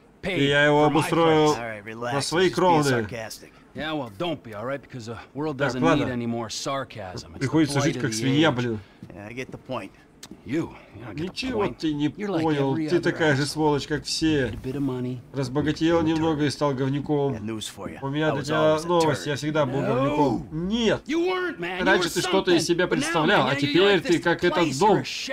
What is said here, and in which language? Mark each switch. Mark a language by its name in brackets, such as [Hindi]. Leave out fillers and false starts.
[Russian] И я его обустроил на свои кровные. [English] Yeah, well, don't be, all right? Because the world doesn't need any more sarcasm. [Russian] Приходится жить как свинья, блин. [English] I get the point. You. [Russian] Ничего ты не понял. Ты такая же сволочь, как все. Разбогател немного и стал говнюком. У меня для тебя новость. Я всегда был говнюком. Нет. Раньше ты что-то из себя представлял, а теперь ты как этот дом.